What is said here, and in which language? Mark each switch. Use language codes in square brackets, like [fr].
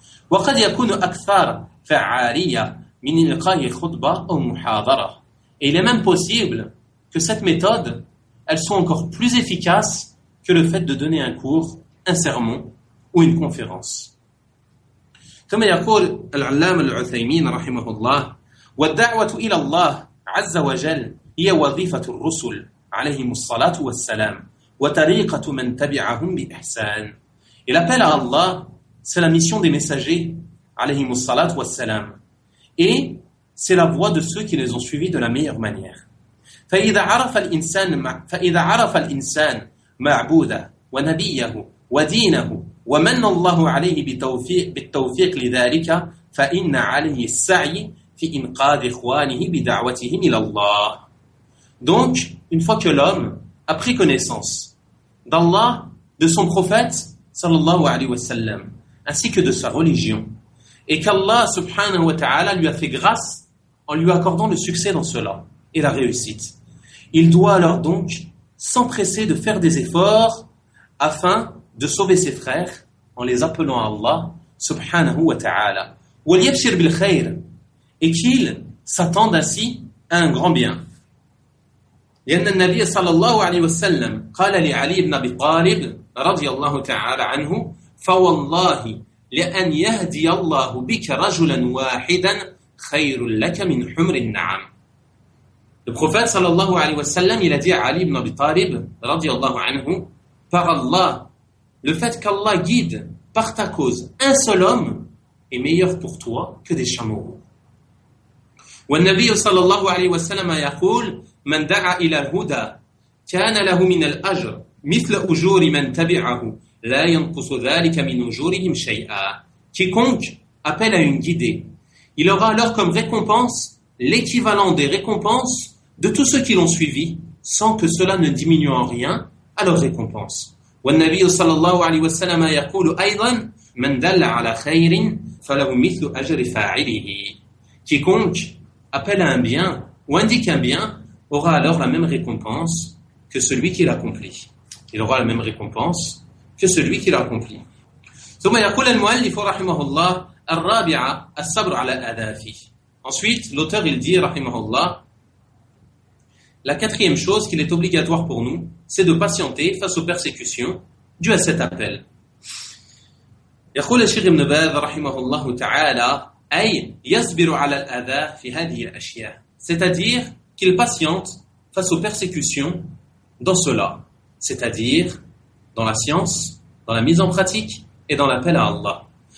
[ar] وقد يكون أكثر فعالية من إلقاء خطبة أو محاضرة. [fr] Et il est même possible que cette méthode, elle soit encore plus efficace que le fait de donner un cours, un sermon ou une conférence. [ar] كما يقول العلامة العثيمين رحمه الله والدعوة إلى الله عز وجل هي وظيفة الرسل عليهم الصلاة والسلام وطريقة من تبعهم بإحسان. [fr] Et l'appel à Allah, c'est la mission des messagers [ar] عليهم الصلاة والسلام. [fr] Et c'est la voie de ceux qui les ont suivis de la meilleure manière. [ar] فإذا عرف الإنسان معبوده ونبيه ودينه ومن الله عليه بالتوفيق لذلك فإن عليه السعي في إنقاذ إخوانه بدعوتهم إلى الله. [fr] Donc, une fois que l'homme a pris connaissance d'Allah, de son prophète, [ar] sallallahu alayhi wa sallam, [fr] ainsi que de sa religion, et qu'Allah [ar] subhanahu wa ta'ala [fr] lui a fait grâce en lui accordant le succès dans cela et la réussite, il doit alors donc s'empresser de faire des efforts afin de sauver ses frères en les appelant à Allah subhanahu wa ta'ala, [ar] وليبشر بالخير [fr] et qu'il s'attende ainsi à un grand bien. [ar] لأن النبي صلى الله عليه وسلم قال لعلي بن أبي طالب رضي الله تعالى عنه فوالله لأن يهدي الله بك رجلا واحدا خير لك من حمر النعم. [fr] Le prophète [ar] صلى الله عليه وسلم [fr] il a dit à علي بن أبي طالب [ar] رضي الله عنه [fr] par Allah, le fait qu'Allah guide par ta cause un seul homme est meilleur pour toi que des chameaux. [ar] والنبي صلى الله عليه وسلم يقول من دعا إلى الهدى كان له من الأجر مثل أجور من تبعه لا ينقص ذلك من أجورهم شيئا. [fr] Quiconque appelle à une guidée, il aura alors comme récompense l'équivalent des récompenses de tous ceux qui l'ont suivi, sans que cela ne diminue en rien à leur récompense. [ar] والنبي صلى الله عليه وسلم يقول أيضا من دل على خير فله مثل أجر فاعله. [fr] Quiconque appelle à un bien ou indique un bien aura alors la même récompense que celui qui l'accomplit. Il aura la même récompense que celui qui l'accomplit. [ar] ثم يقول المؤلف رحمه الله الرابعة الصبر على الأذافي. [fr] Ensuite, l'auteur il dit [ar] رحمه الله [fr] la quatrième chose qu'il est obligatoire pour nous, c'est de patienter face aux persécutions dues à cet appel. [ar] يقول الشيخ ابن باز رحمه الله تعالى أي يصبر على الأذى في هذه الأشياء. [fr] C'est-à-dire qu'il patiente face aux persécutions dans cela, c'est-à-dire dans la science, dans la mise en pratique et dans l'appel à Allah.